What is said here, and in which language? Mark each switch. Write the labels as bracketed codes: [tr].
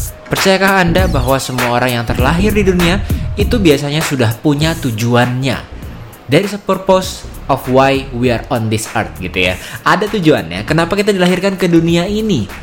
[id] Percayakah Anda bahwa semua orang yang terlahir di dunia itu biasanya sudah punya tujuannya? [en] There is a purpose of why we are on this earth, [id] gitu ya. Ada tujuannya, kenapa kita dilahirkan ke dunia ini?